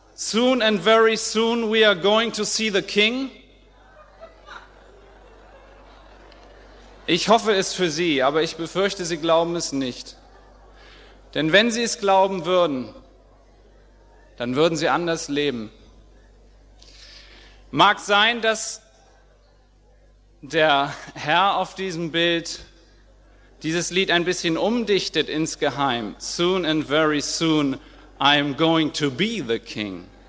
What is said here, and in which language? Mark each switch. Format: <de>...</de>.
<en>Soon and very soon we are going to see the king.</en> <de>Ich hoffe es für sie, aber ich befürchte, sie glauben es nicht. Denn wenn sie es glauben würden, dann würden sie anders leben. Mag sein, dass der Herr auf diesem Bild dieses Lied ein bisschen umdichtet insgeheim.</de> <en>Soon and very soon I am going to be the king.</en>